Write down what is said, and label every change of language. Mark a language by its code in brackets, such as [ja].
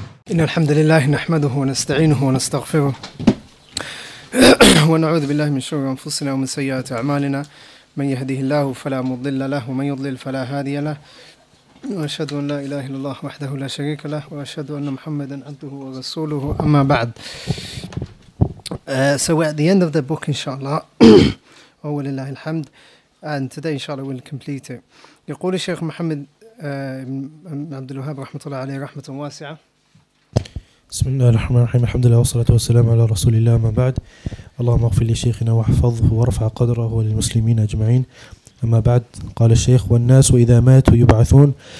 [ar] إن الحمد لله نحمده ونستعينه ونستغفره ونعوذ بالله من شرور أنفسنا ومن سيئات أعمالنا، من يهده الله فلا مضل له ومن يضلل فلا هادي له، وأشهد أن لا إله إلا الله وحده لا شريك له وأشهد أن محمدا عبده ورسوله، أما بعد. [en] So we're at the end of the book inshallah [ar] ولله الحمد, [en] and today inshallah we'll complete it. [ar] يقول الشيخ محمد بن عبد الوهاب رحمة الله عليه رحمة واسعة. بسم الله الرحمن الرحيم, الحمد لله والصلاة والسلام على رسول الله, ما بعد. اللهم اغفر لشيخنا واحفظه وارفع قدره وللمسلمين أجمعين, أما بعد. قال الشيخ: والناس إذا ماتوا يبعثون.